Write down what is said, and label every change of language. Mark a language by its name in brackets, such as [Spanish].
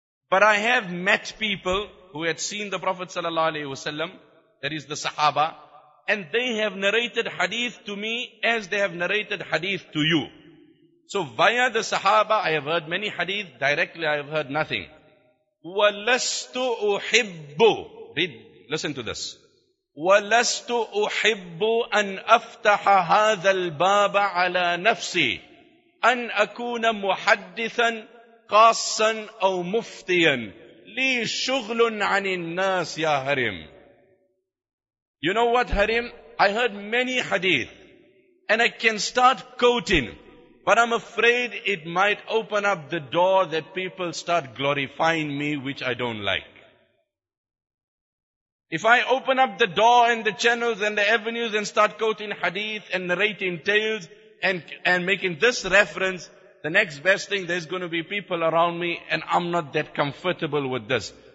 [English] But I have met people who had seen the Prophet sallallahu alaihi wasallam, that is the Sahaba, and they have narrated hadith to me as they have narrated hadith to you. So via the Sahaba, I have heard many hadith, directly I have heard nothing. [Arabic] وَلَسْتُ أُحِبُّ [English] Read, listen to this. [Arabic] وَلَسْتُ أُحِبُّ أَنْ أَفْتَحَ هَذَا الْبَابَ عَلَى نَفْسِي أَنْ أَكُونَ مُحَدِّثًا قَاسًا أَوْ مُفْتِيًا لِي شُغْلٌ عَنِ النَّاسِ يَا هَرِمْ. [English] You know what, Harim? I heard many hadith, and I can start quoting, but I'm afraid it might open up the door that people start glorifying me, which I don't like. If I open up the door and the channels and the avenues and start quoting hadith and narrating tales and making this reference, the next best thing, there's going to be people around me and I'm not that comfortable with this.